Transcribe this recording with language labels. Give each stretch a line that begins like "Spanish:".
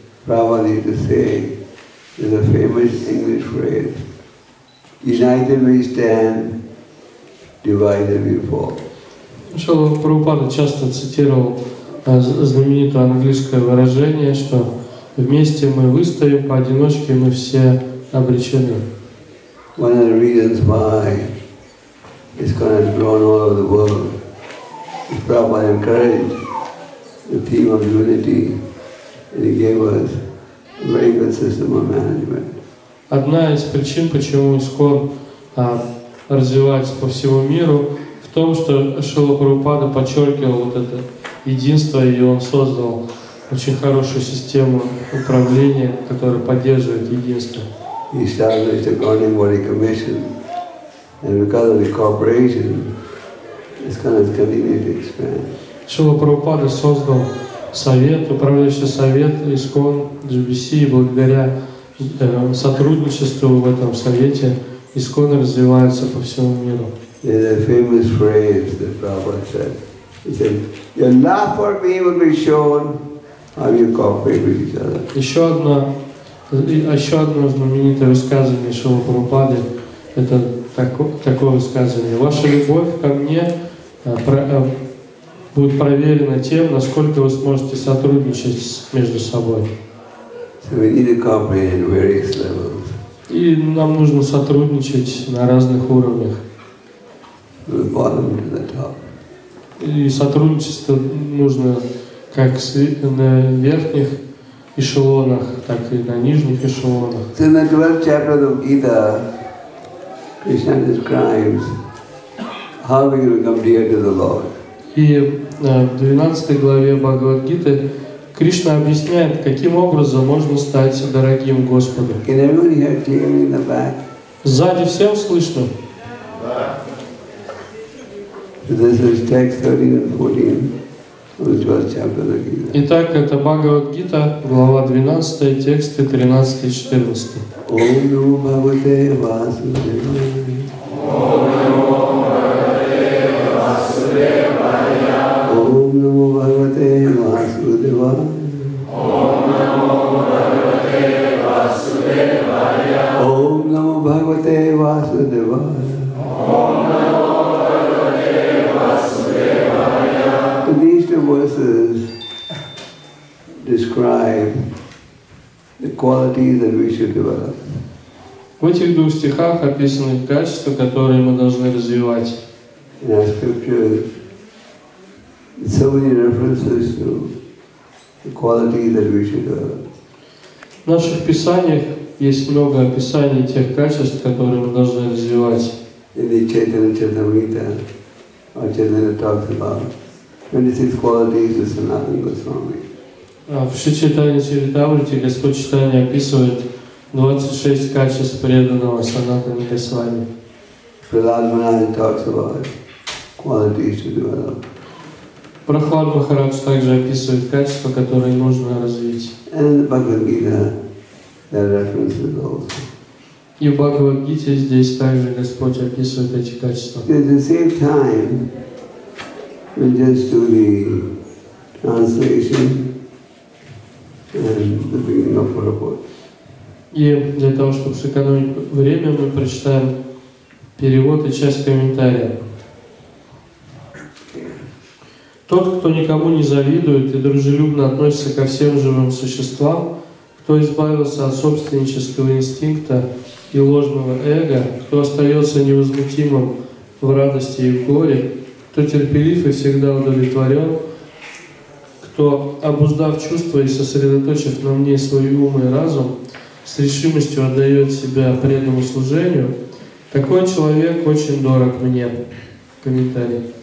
English: Prabhupada used to say, there's a famous English phrase, united we stand, divided we fall.
Russian: Шрила Прабхупада часто цитировал знаменитое английское выражение, что вместе мы выстоим, поодиночке мы все обречены.
English: One of the reasons why it's kind of grown all over the world is Prabhupada encouraged the theme of unity, and he gave us a very good system of management.
Russian: Одна из причин, почему ИСККОН развивается по всему миру, в том, что Шрила Прабхупада подчеркивал вот это единство, и он создал очень хорошую систему управления, которая поддерживает единство.
English: He established the Governing Body Commission, and because of the cooperation, it's kind of continued to expand.
Russian: Шрила Прабхупада создал совет, управляющий совет ИСККОН GBC, благодаря сотрудничеству в этом совете ИСККОН развивается по всему миру.
English: In a famous phrase that Prabhupada said, he said, your love for me will be shown how you cooperate with each other.
Russian: Еще одно знаменитое высказывание Шрилы Прабхупады, это такое высказывание. Ваша любовь ко мне будет проверена тем, насколько вы сможете сотрудничать между собой.
English: So we need to cooperate at various levels.
Russian: И нам нужно сотрудничать на разных уровнях.
English: From the bottom to the top.
Russian: И сотрудничество нужно как на верхних эшелонах, так и на нижних эшелонах.
English: So in the 12th chapter of the Gita, Krishna describes how we can become dear to the Lord.
Russian: И в 12 главе Бхагавад-гиты Кришна объясняет, каким образом можно стать дорогим Господу.
English: Can everyone hear clearly in the back?
Russian: Сзади всем слышно?
English: This is text 13 and 14 of the 12th chapter of the Gita.
Russian: Итак, это Бхагавад-гита, глава 12, тексты 13 и 14.
Sanskrit: Ом Ну Бхагавате Васудевая. Ом Ну Бхагавате Ом Ну Бхагавате Васудевая.
English: Verses describe the qualities that we should develop.
Russian: В этих двух стихах описаны качества, которые мы должны развивать.
English: In our scriptures, so many references to the qualities that we should develop.
Russian: В наших писаниях есть много описаний тех качеств, которые мы должны развивать.
English: In the Chaitanya Charitamrita, our Chaitanya talks about 26 qualities of Sanatana Goswami.
Russian: В Шри Чайтанья Чаритамрите Господь Чайтанья описывает 26 качеств преданного Санатана Госвами.
English: Прахлад Махарадж talks about qualities to develop.
Russian: Прахлад Махарадж также описывает качества, которые нужно развить.
English: And the Bhagavad Gita there are references also.
Russian: И в Бхагавад Гите здесь также Господь описывает эти качества.
English: At the same time, we'll just do the translation and the reading of the report.
Russian: И для того, чтобы сэкономить время, мы прочитаем перевод и часть комментария. Тот, кто никому не завидует и дружелюбно относится ко всем живым существам, кто избавился от собственнического инстинкта и ложного эго, кто остается невозмутимым в радости и в горе, кто терпелив и всегда удовлетворен, кто, обуздав чувства и сосредоточив на мне свой ум и разум, с решимостью отдает себя преданному служению, такой человек очень дорог мне. Комментарий.